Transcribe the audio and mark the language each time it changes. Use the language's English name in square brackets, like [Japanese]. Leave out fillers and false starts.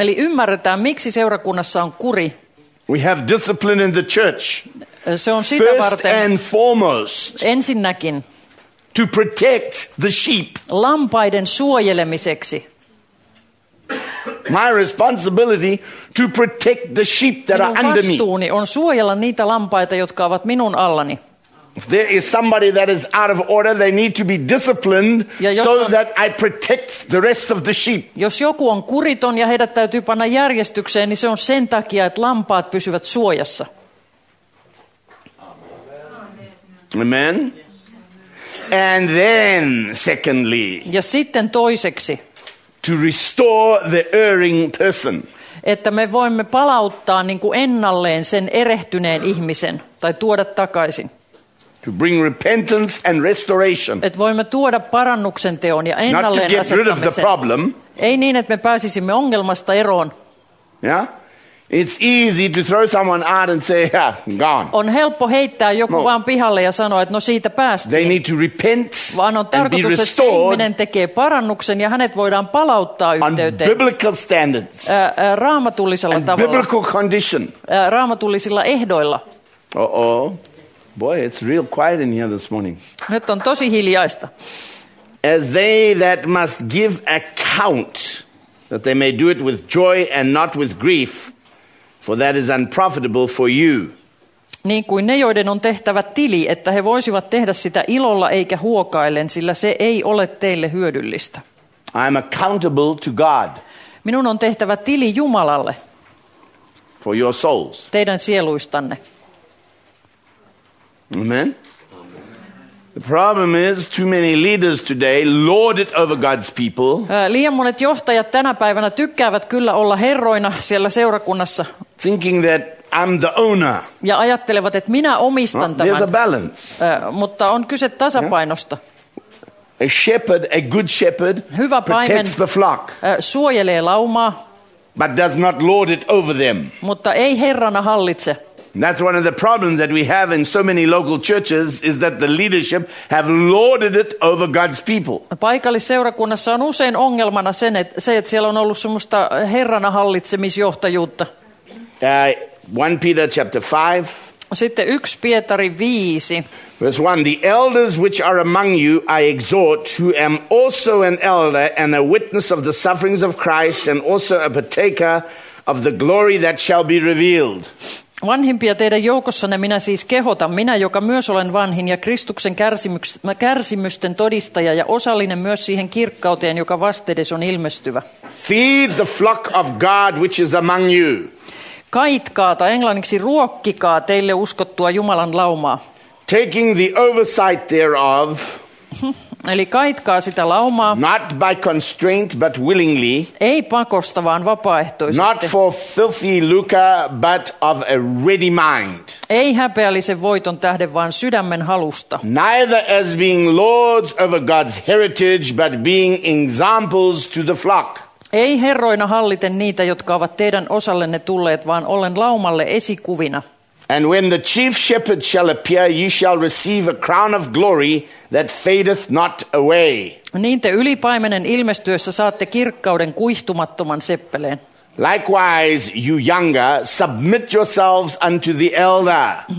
[Finnish] Eli ymmärretään, miksi seurakunnassa on kuri. [English] We have discipline in the church. [Finnish] Se on sitä varten. [English] First and foremost. [Finnish] Ensinnäkin. [English] To protect the sheep. [Finnish] Lampaiden suojelemiseksi. [English] My responsibility to protect the sheep that [Finnish] minun [English] are under me. [Finnish] Vastuuni on suojella niitä lampaita, jotka ovat minun allani. [English] If there is somebody that is out of order, they need to be disciplined so that I protect the rest of the sheep. [Finnish] Jos joku on kuriton ja heidät täytyy panna järjestykseen, niin se on sen takia, että lampaat pysyvät suojassa. [English] Amen. And then, secondly. [Finnish] Ja sitten toiseksi. [English] To restore the erring person. [Finnish] Että me voimme palauttaa niin kuin ennalleen sen erehtyneen ihmisen tai tuoda takaisin. [English] To bring repentance and restoration. [Finnish] Et voimme tuoda parannuksen teon ja ennalleen [English] not to get rid of the problem. [Finnish] Ei niin, että me pääsisimme ongelmasta eroon. [English] Yeah? It's easy to throw someone out and say, yeah, gone. [Finnish] On helppo heittää joku vaan pihalle ja sanoa, että no siitä päästiin. [English] They need to repent [Finnish] vaan on tarkoitus, [English] and be restored. [Finnish] Että se ihminen tekee parannuksen ja hänet voidaan palauttaa yhteyteen. [English] On biblical standards. [Finnish] Raamatullisella tavalla. [English] Biblical condition. [Finnish] Raamatullisilla ehdoilla. Uh-oh. [English] Boy, it's real quiet in here this morning. [Finnish] Nyt on tosi hiljaista. [English] As they that must give account, that they may do it with joy and not with grief, for that is unprofitable for you. [Finnish] Niin kuin ne, joiden on tehtävä tili, että he voisivat tehdä sitä ilolla eikä huokaillen, sillä se ei ole teille hyödyllistä. [English] I'm accountable to God. [Finnish] Minun on tehtävä tili Jumalalle. [English] For your souls. [Finnish] Teidän sieluistanne. [English] Amen. The problem is too many leaders today lord it over God's people. [Finnish] Liian monet johtajat tänä päivänä tykkäävät kyllä olla herroina siellä seurakunnassa. [English] Thinking that I'm the owner. [Finnish] Ja ajattelevat, että minä omistan tämän. [English] There's a balance. [Finnish] Mutta on kyse tasapainosta. [English] A shepherd, a good shepherd, [Finnish] hyvä paimen [English] protects the flock. [Finnish] Suojelee laumaa. [English] But does not lord it over them. [Finnish] Mutta ei herrana hallitse. [English] That's one of the problems that we have in so many local churches is that the leadership have lorded it over God's people. [Finnish] Paikallisseurakunnassa on usein ongelmana se että siellä on ollut semmoista herrana hallitsemisjohtajuutta. [English] 1 Peter chapter 5. [Finnish] Sitten 1 Pietari 5. [English] Verse 1, the elders which are among you I exhort, who am also an elder and a witness of the sufferings of Christ and also a partaker of the glory that shall be revealed. [Finnish] Vanhimpia teidän joukossanne minä siis kehotan, minä joka myös olen vanhin ja Kristuksen kärsimysten todistaja ja osallinen myös siihen kirkkauteen, joka vastedes on ilmestyvä. [English] Feed the flock of God which is among you. [Finnish] Kaitkaa tai englanniksi ruokkikaa teille uskottua Jumalan laumaa. [English] Taking the oversight thereof. [Finnish] Eli kaitkaa sitä laumaa. [English] Not by constraint, but willingly. [Finnish] Ei pakosta, vaan vapaaehtoisesti. [English] Not for filthy lucre, but of a ready mind. [Finnish] Ei häpeällisen voiton tähden, vaan sydämen halusta. [English] Neither as being lords over God's heritage, but being examples to the flock. [Finnish] Ei herroina halliten niitä, jotka ovat teidän osallenne tulleet, vaan ollen laumalle esikuvina. [English] And when the chief shepherd shall appear, ye shall receive a crown of glory that fadeth not away. [Finnish] Niin te ylipaimenen ilmestyessä saatte kirkkauden kuihtumattoman seppeleen. [English] Likewise, you younger, submit yourselves unto the elder.